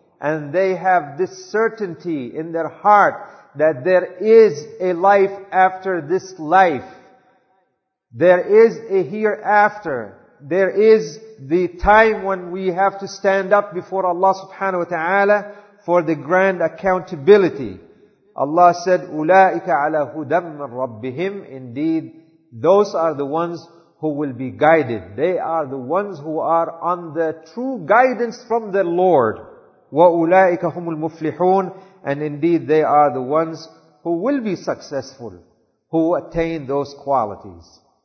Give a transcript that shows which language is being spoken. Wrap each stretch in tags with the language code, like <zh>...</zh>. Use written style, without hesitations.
<en>And they have this certainty in their heart that there is a life after this life. There is a hereafter. There is the time when we have to stand up before Allah subhanahu wa ta'ala for the grand accountability. Allah said,</en> <ar>أُولَٰئِكَ عَلَىٰ هُدًى مِّن رَبِّهِمْ.</ar> <en>Indeed, those are the ones who will be guided. They are the ones who are on the true guidance from the Lord.</en> <ar>وَأُولَٰئِكَ هُمُ الْمُفْلِحُونَ.</ar> <en>And indeed, they are the ones who will be successful, who attain those qualities.</en>